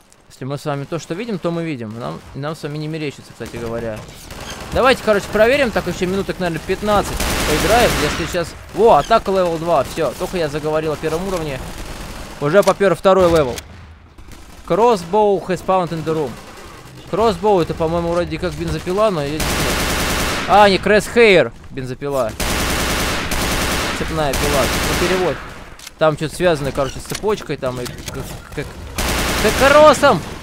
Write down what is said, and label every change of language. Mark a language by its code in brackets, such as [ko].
[ru] Если мы с вами то, что видим, то мы видим. Нам с вами не мерещится, кстати говоря. Давайте, короче, проверим. Так, еще минуток, наверное, 15 поиграем. Если сейчас... О, атака левел 2. Все, только я заговорил о первом уровне. Уже попер второй левел. [en] Crossbow has found in the room. [ru] Crossbow это, по-моему, вроде как бензопила, но... А, не, Crosshair бензопила. Цепная пила. Ну, перевод. Там что-то связано, короче, с цепочкой там и... Как кросом!